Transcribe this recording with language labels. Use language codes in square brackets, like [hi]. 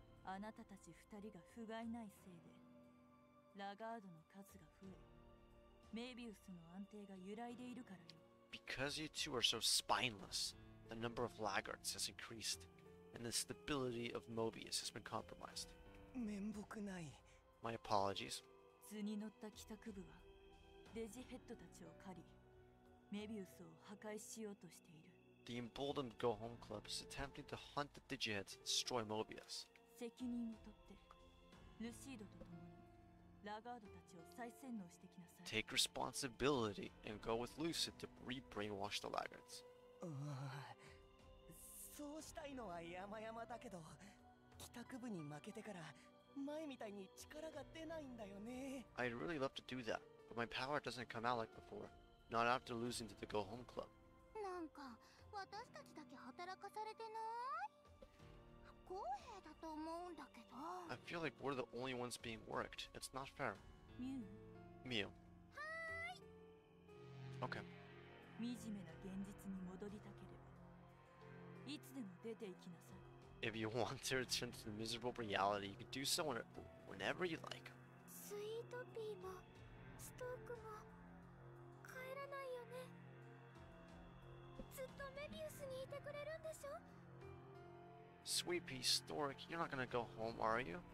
[ja] あなたたち二人が不甲斐ないせいで、ラガードの数が増え、メイビウスの安定が揺らいでいるからよ。 [en] Because you two are so spineless, the number of laggards has increased, and the stability of Mobius has been compromised. [ja] 面目ない。 [en] My apologies. [ja] 図に乗った帰宅部は、デジヘッドたちを狩り、メビウスを破壊しようとしている。 [en] The emboldened Go Home Club is attempting to hunt the Digiheads and destroy Mobius. [ja] 責任を取って、ルシードと共に、ラガードたちを再洗脳してきなさい。 [en] Take responsibility and go with Lucid to re-brainwash the laggards. [ja] そうしたいのは山々だけど、帰宅部に負けてから前みたいに力が出ないんだよね。 [en] I'd really love to do that, but my power doesn't come out like before. Not after losing to the Go Home Club. [ja] なんか私たちだけ働かされてない？公平だと思うんだけど。 [en] I feel like we're the only ones being worked. It's not fair. Mew. [ja] はい。 [en] Okay. [ja] 惨めな現実に戻りたければ、いつでも出て行きなさい。 [en] If you want to return to the miserable reality, you can do so whenever you like. [ja] スイートピーも、ストークも、帰らないよね。ずっとメビウスにいてくれるんでしょ？ [en] Sweet pea, Stork, you're not gonna go home, are you?